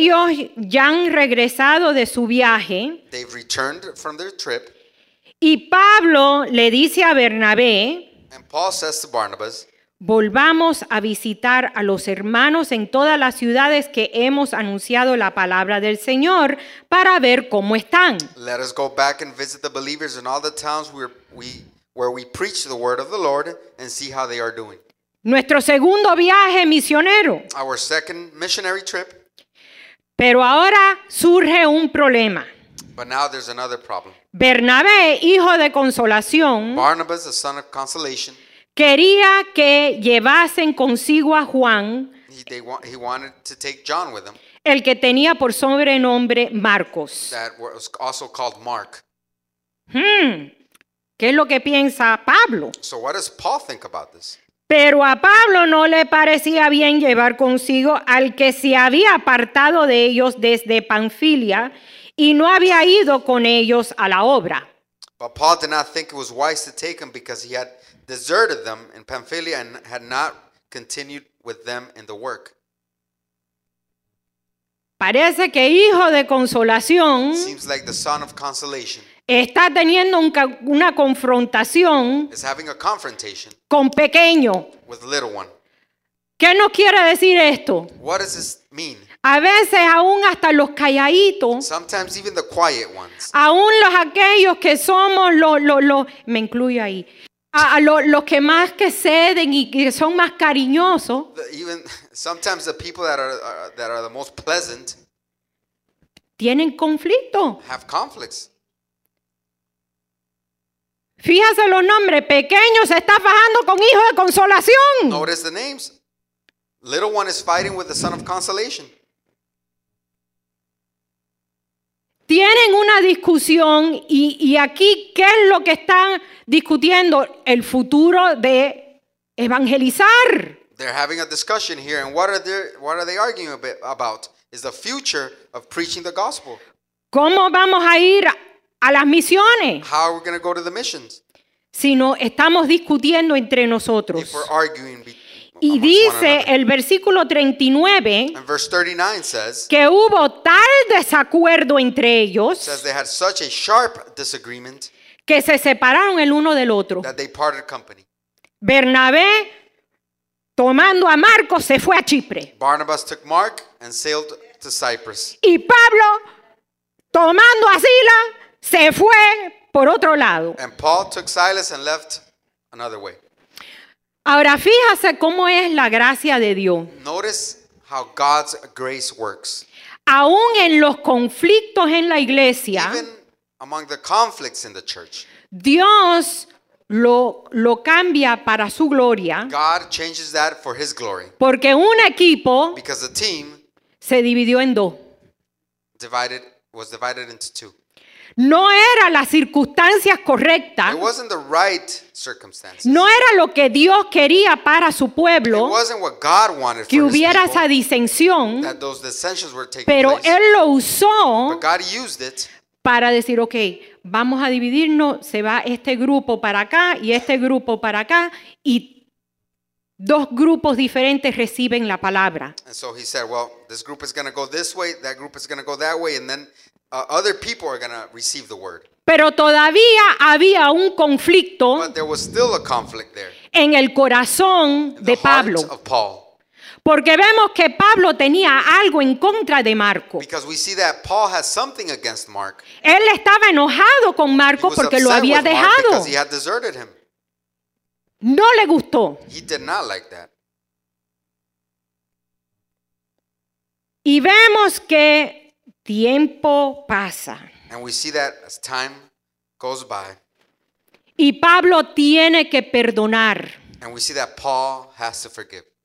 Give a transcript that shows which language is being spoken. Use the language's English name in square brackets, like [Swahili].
[Spanish] 36, ellos ya han regresado de su viaje. [English] They've returned from their trip. [Spanish] Y Pablo le dice a Bernabé, [English] and Paul says to Barnabas, [Spanish] volvamos a visitar a los hermanos en todas las ciudades que hemos anunciado la palabra del Señor para ver cómo están. [English] Let us go back and visit the believers in all the towns where we preach the word of the Lord and see how they are doing. [Spanish] Nuestro segundo viaje misionero. [English] Our second missionary trip. [Spanish] Pero ahora surge un problema. [English] But now there's another problem. [Spanish] Bernabé, hijo de consolación, [English] Barnabas, the son of consolation, [Spanish] quería que llevasen consigo a Juan, [English] he wanted to take John with him, [Spanish] el que tenía por sobrenombre Marcos. [English] That was also called Mark. [Spanish] ¿Qué es lo que piensa Pablo? [English] So what does Paul think about this? [Spanish] Pero a Pablo no le parecía bien llevar consigo al que se había apartado de ellos desde Panfilia y no había ido con ellos a la obra. [English] But Paul did not think it was wise to take him because he had deserted them in Pamphylia and had not continued with them in the work. [Spanish] Parece que hijo de consolación [English] seems like the son of consolation [Spanish] está teniendo una confrontación [English] is having a confrontation [Spanish] con pequeño. [English] With little one. [Spanish] ¿Qué nos quiere decir esto? [English] What does this mean? [Spanish] A veces aún hasta los calladitos, [English] sometimes even the quiet ones, [Spanish] aún los aquellos que somos los me incluyo ahí, a los que más que ceden y que son más cariñosos, [English] even sometimes the people that are the most pleasant, [Spanish] tienen conflicto. [English] Have conflicts. [Spanish] Fíjense los nombres, pequeño se está fajando con hijo de consolación. [English] Notice the names. Little one is fighting with the son of consolation. [Spanish] Tienen una discusión y aquí, ¿qué es lo que están discutiendo? El futuro de evangelizar. [English] They're having a discussion here, and what are they arguing about? Is the future of preaching the gospel. [Spanish] ¿Cómo vamos a ir a las misiones? [English] How are we going to go to the missions? [Spanish] Si no, estamos discutiendo entre nosotros. [English] If we're arguing between. [Spanish] Y dice el versículo 39, [English] and verse 39 says, [Spanish] que hubo tal desacuerdo entre ellos, [English] says they had such a sharp disagreement, [Spanish] que se separaron el uno del otro. [English] That they parted company. [Spanish] Bernabé, tomando a Marcos, se fue a Chipre. [English] Barnabas took Mark and sailed to Cyprus. [Spanish] Y Pablo, tomando a Silas, se fue por otro lado. [English] And Paul took Silas and left another way. [Spanish] Ahora fíjese cómo es la gracia de Dios. [English] Notice how God's grace works. [Spanish] Aún en los conflictos en la iglesia, [English] even among the conflicts in the church, [Spanish] Dios lo cambia para su gloria. [English] God changes that for his glory. [Spanish] Porque un equipo, [English] because the team, [Spanish] se dividió en dos. [English] Was divided into two. [Spanish] No era las circunstancias correctas. [English] It wasn't the right circumstances. [Spanish] No era lo que Dios quería para su pueblo. [English] It wasn't what God wanted for [Spanish] que hubiera [English] his people, [Spanish] esa disensión. [English] That those dissensions were taking [Spanish] pero [English] place. [Spanish] Él lo usó. [English] But God used it [Spanish] para decir, ok, vamos a dividirnos. Se va este grupo para acá y este grupo para acá. Y dos grupos diferentes reciben la palabra. [English] And so he said, well, this group is going to go this way. That group is going to go that way. And then other people are going to receive the word. [Spanish] Pero todavía había un conflicto. [English] But there was still a conflict there. [Spanish] En el corazón de Pablo. [English] The heart of Paul. [Spanish] Porque vemos que Pablo tenía algo en contra de Marco. [English] Because we see that Paul has something against Mark. [Spanish] Él estaba enojado con Marco porque lo había dejado. [English] Because he had deserted him. [Spanish] No le gustó. [English] He did not like that. [Spanish] Y vemos que tiempo pasa. [English] And we see that as time goes by. [Spanish] Y Pablo tiene que perdonar. [English] And we see that Paul has to forgive.